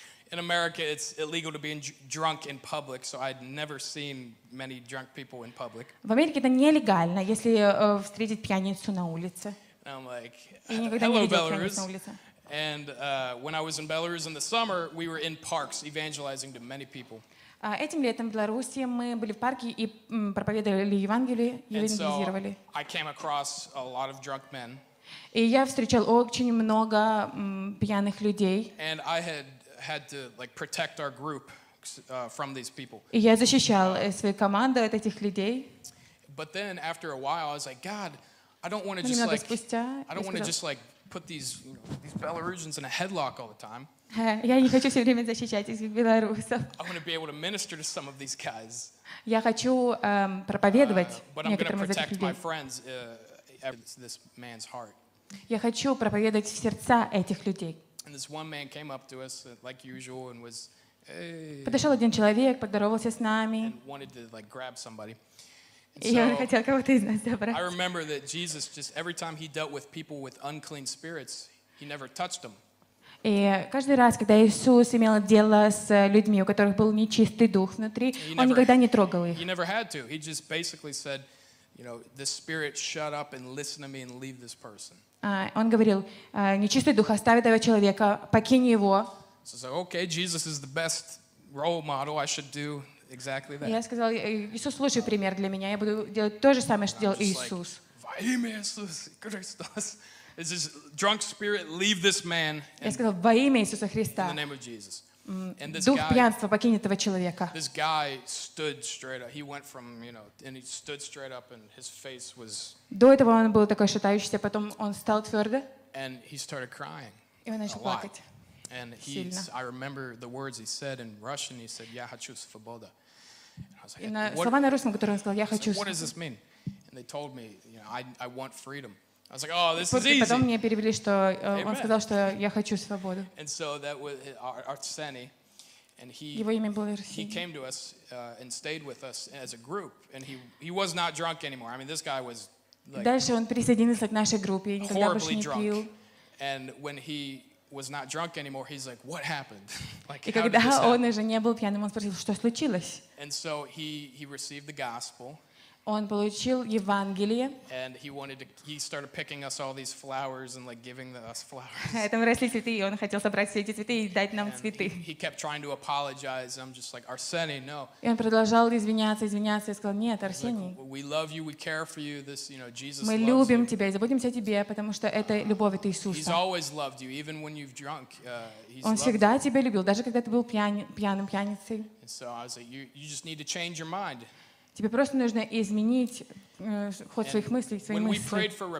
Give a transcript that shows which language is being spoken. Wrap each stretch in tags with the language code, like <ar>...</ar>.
<en>In America, it's illegal to be drunk in public, so I'd never seen many drunk people in public.</en> <ru>В Америке это нелегально, если встретить пьяницу на улице.</ru> <en>And I'm like, hello, Belarus. And when I was in Belarus in the summer, we were in parks evangelizing to many people.</en> <ru>Этим летом в Беларуси мы были в парке и проповедовали Евангелие, евангелизировали.</ru> <en>And so I came across a lot of drunk men.</en> <ru>И я встречал очень много пьяных людей.</ru> <en>And I had to like protect our group from these people.</en> <ru>И я защищал свою команду от этих людей.</ru> <en>But then after a while, I was like, God, I don't want to just like put these Belarusians in a headlock all the time.</en> <ru>Я не хочу все время защищать этих белорусов.</ru> <en>I want to be able to minister to some of these guys.</en> <ru>Я хочу проповедовать некоторым из этих людей.</ru> <en>My friends, this man's heart.</en> <ru>Я хочу проповедовать в сердца этих людей.</ru> <en>And this one man came up to us like usual and was, hey.</en> <ru>Подошел один человек, поздоровался с нами.</ru> <en>And wanted to like grab somebody.</en> <ru>И он хотел кого-то из нас забрать.</ru> <en>I remember that Jesus just every time he dealt with people with unclean spirits, he never touched them.</en> <ru>И каждый раз, когда Иисус имел дело с людьми, у которых был нечистый дух внутри, он никогда не трогал их.</ru> <en>He never had to. He just basically said, you know, the spirit shut up and listen to me and leave this person.</en> <ru>Он говорил, нечистый дух, оставь этого человека, покинь его.</ru> <en>So I said, okay, Jesus is the best role model. I should do exactly that.</en> <ru>Я сказал, Иисус лучший пример для меня. Я буду делать то же самое, что делал Иисус. Во имя Иисуса Христос.</ru> <en>It's this drunk spirit, leave this man.</en> <ru>Я сказал, во имя Иисуса Христа.</ru> <en>In the name of Jesus. And this</en> <ru>дух пьянства покинь этого человека.</ru> <en>This guy stood straight up. He went from, you know, and he stood straight up, and his face was.</en> <ru>До этого он был такой шатающийся, потом он стал твердо.</ru> <en>And he started crying.</en> <ru>И он начал плакать.</ru> <en>And he, I remember the words he said in Russian. He said,</en> <ru>"Я хочу свобода." Слова на русском, которые он сказал, я хочу.</ru> <en>What does this mean? And they told me, you know, I want freedom. I was like, oh, this is easy.</en> <ru>Потом мне перевели, что он сказал, что я хочу свободу.</ru> <en>And so that was Arseny, and he came to us and stayed with us as a group, and he was not drunk anymore. I mean, this guy was like.</en> <ru>Дальше он присоединился к нашей группе, и когда больше не пил.</ru> <en>And when he was not drunk anymore, he's like, what happened?</en> <ru>И когда он уже не был пьяным, он спросил, что случилось?</ru> <en>And so he received the gospel.</en> <ru>Он получил Евангелие.</ru> <en>And he started picking us all these flowers and like giving us flowers.</en> <ru>Этому росли цветы, и он хотел собрать все эти цветы и дать нам цветы.</ru> <en>He kept trying to apologize. I'm just like, Arseny, no.</en> <ru>И он продолжал извиняться, и сказал, нет, Арсений.</ru> <en>We love you, we care for you. This, you know, Jesus.</en> <ru>Мы любим тебя, заботимся о тебе, потому что это любовь это Иисуса.</ru> <en>He's always loved you, even when you've drunk.</en> <ru>Он всегда тебя любил, даже когда ты был пьяным пьяницей.</ru> <en>And so I was like, you just need to change your mind.</en> <ru>Тебе просто нужно изменить ход своих мыслей, свои мысли.</ru>